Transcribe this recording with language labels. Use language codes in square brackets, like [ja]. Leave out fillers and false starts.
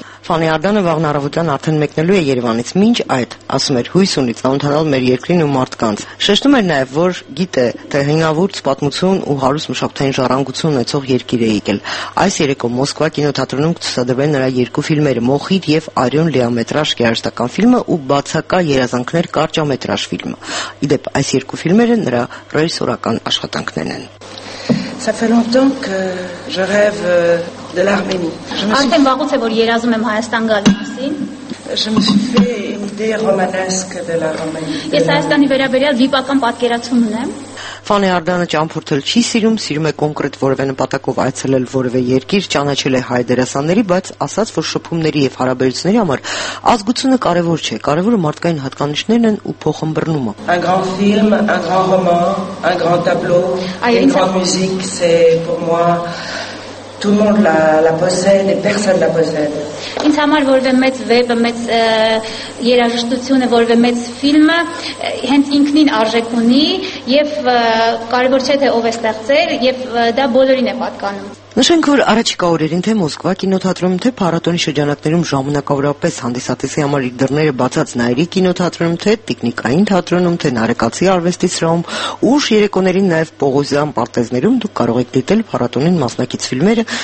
[hy] Ֆանե Արդանը վաղն առավոտյան արդեն մեկնելու է Երևանից, մինչ այդ, ասում էր, հույս ունի ծանոթանալ մեր երկրին ու մարդկանց։ Շեշտում էր նաև, որ գիտե, թե հինավուրց պատմություն ու հարուստ մշակութային ժառանգություն ունեցող երկիր է եկել։ Այս երեկո Մոսկվա կինոթատրոնում կցուցադրվեն նրա 2 ֆիլմերը՝ «Մոխիր» և «Արյուն» լիամետրաժ երաժշտական ֆիլմը ու «Բացակա երազանքներ» կարճամետրաժ ֆիլմը։ Ի դեպ, այս 2 ֆիլմերը նրա ռեժիսորական աշխատանքներն են։ [fr] Ça fait longtemps que je rêve de l'Arménie. Je me suis fait une idée romanesque de la Roumanie. [hy] Ֆանե Արդանը ճամփորդել չի սիրում, սիրում է կոնկրետ որևէ նպատակով այցելել որևէ երկիր, ճանաչել է հայ դերասանների, բայց ասաց, որ շփումների և հարաբերությունների համար ազգությունը կարևոր չէ, կարևորը մարդկային հատկանիշներն են ու փոխմբռնումը։ [fr] Un grand film, un grand roman, un grand tableau, une grande musique, c'est pour moi tout le monde la possède et personne la possède. [hy] Ինձ համար որևէ մեծ վեպը, մեծ երաժշտությունը, որևէ մեծ ֆիլմը հենց ինքնին արժեք ունի և կարևոր չէ, թե ով է ստեղծել, և դա բոլորին է պատկանում։ Նշենք, որ առաջիկա օրերին թե Մոսկվա կինոթատրոնում, թե փառատոնի շրջանակներում ժամանակավորապես հանդիսատեսի համար իր դռները բացած Նայիրի կինոթատրոնում, թե Տիկնիկային թատրոնում, թե Նարեկացի արվեստի սրահում, ուշ երեկոներին նաև Պողոսյան պարտեզներում դուք կարող եք դիտել փառատոնին մասնակից ֆիլմերը